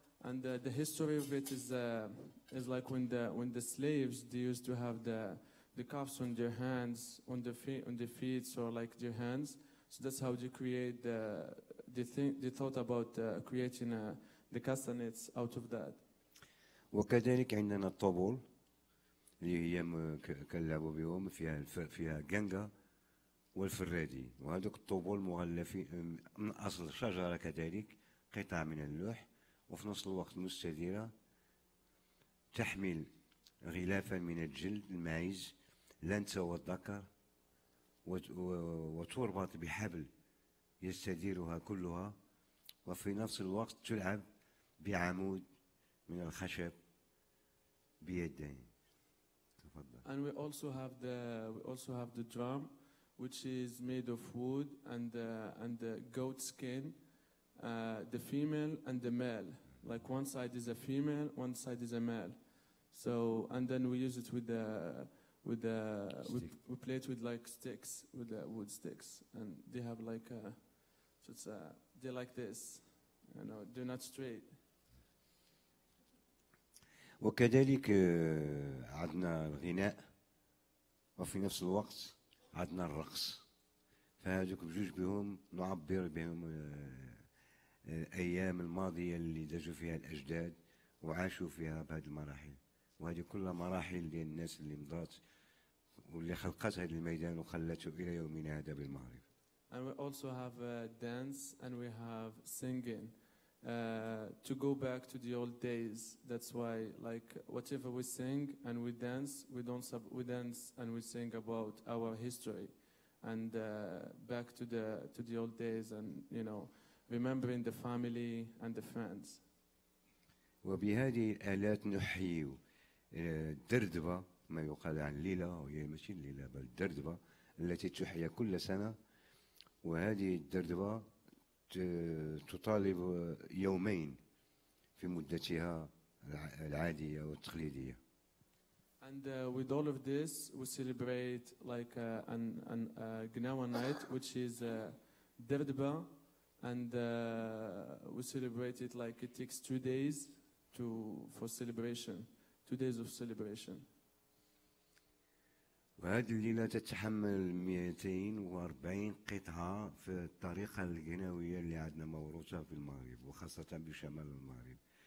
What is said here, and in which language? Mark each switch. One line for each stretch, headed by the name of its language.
English: And the history of it is like when the slaves they used to have the cuffs on their hands on the feet or like their hands. So that's how they create the thought about creating the castanets out of that.
Arabic: وكذلك عندنا الطبول اللي هي كلعبوا بهم فيها جنجا والفرادي وهذوك الطبول مغلفين من اصل شجره كذلك قطع من اللوح وفي نفس الوقت مستديره تحمل غلافا من الجلد المعيز الانثى والذكر وتربط بحبل يستديرها كلها وفي نفس الوقت تلعب بعمود من الخشب بيدين تفضل.
English: And we also have the drum which is made of wood and the goat skin the female and the male like one side is a female one side is a male so and then we use it with the we play it with like sticks with the wood sticks and they have like a so it's a they like this you know they're not straight.
Arabic: وكذلك عدنا الغناء وفي نفس الوقت عدنا الرقص فهذوك بجوج بهم نعبر بهم الأيام الماضية اللي دجوا فيها الأجداد وعاشوا فيها بهذه المراحل وهذه كلها مراحل للناس اللي مضات واللي خلقت هذا الميدان وخلته الى يومنا هذا بالمغرب.
English: And we also have a dance and we have singing to go back to the old days. That's why like whatever we sing and we dance we dance and we sing about our history and back to the old days and you know remembering the family and the friends.
Arabic: وبهذه الآلات نحيي الدردبة ما يقال عن ليلة وهي ماشي ليلة بل دردبة التي تحيا كل سنة وهذه الدردبة تطالب يومين في مدتها العادية والتقليدية.
English: And with all of this we celebrate like a Gnawa night which is a دردبة and we celebrate it like it takes 2 days for celebration 2 days of celebration.
Arabic: وهذه الليلة تتحمل 240 قطعة في الطريقة الجناوية اللي عندنا موروثة في المغرب وخاصة بشمال المغرب.